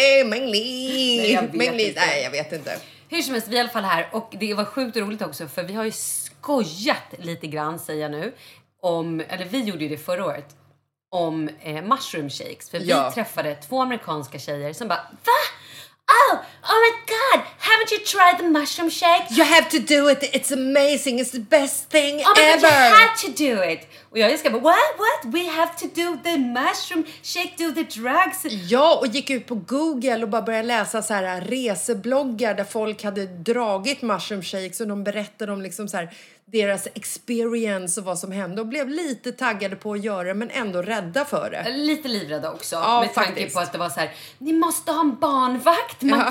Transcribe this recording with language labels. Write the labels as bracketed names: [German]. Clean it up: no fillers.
[Swedish] Mengli. Mengli. Nej, jag vet inte. Hur som helst, vi är i alla fall här. Och det var sjukt roligt också, för vi har ju skojat lite grann, säger jag nu. Om, eller vi gjorde ju det förra året. Om mushroom shakes. För ja. Vi träffade 2 amerikanska tjejer som bara, va? [English] Oh my god, haven't you tried the mushroom shake? You have to do it, it's amazing, it's the best thing ever. Oh my god, you had to do it. [Swedish] Och jag ska bara, [English] what? We have to do the mushroom shake, do the drugs. [Swedish] Ja, och gick ut på Google och bara började läsa så här resebloggar där folk hade dragit mushroom shakes och de berättade om liksom så här deras experience och vad som hände och blev lite taggade på att göra men ändå rädda för det. Lite livrädda också, ja, med faktiskt. Tanke på att det var så här, ni måste ha en barnvakt, man ja.